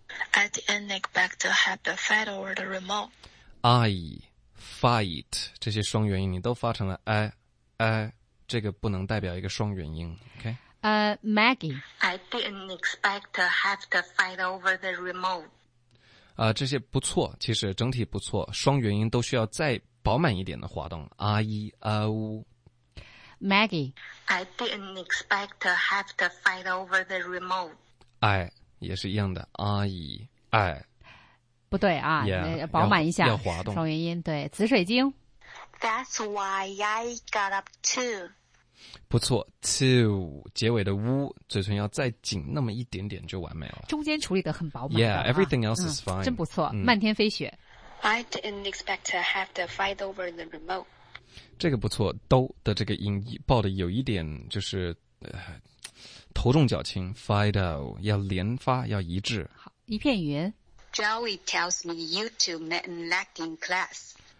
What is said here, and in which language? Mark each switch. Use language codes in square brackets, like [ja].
[en] I didn't expect to have to fight over the remote. [zh] I fight 这些双元音你都发成了 I 这个不能代表一个双元音 OK [en] Maggie. I didn't expect to have to fight over the remote. [zh] 这些不错，其实整体不错，双元音都需要再饱满一点的滑动 R-E-R-O [en] Maggie I didn't expect to have to fight over the remote [zh] I 也是一样的 R-E-I 不对啊 [en] yeah, [zh] 饱满一下要滑动双元音对紫水晶 [en] That's why I got up too [zh] 不错 to 结尾的 w 嘴唇要再紧那么一点点就完美了中间处理得很饱满 [en] Yeah, everything else is fine [zh] 真不错、嗯、漫天飞雪 [en] I didn't expect to have to fight over the remote [zh] 这个不错都的这个音爆的有一点就是、头重脚轻 [en] fight out [zh] 要连发要一致好一片云 [en] Joey tells me you two met in acting class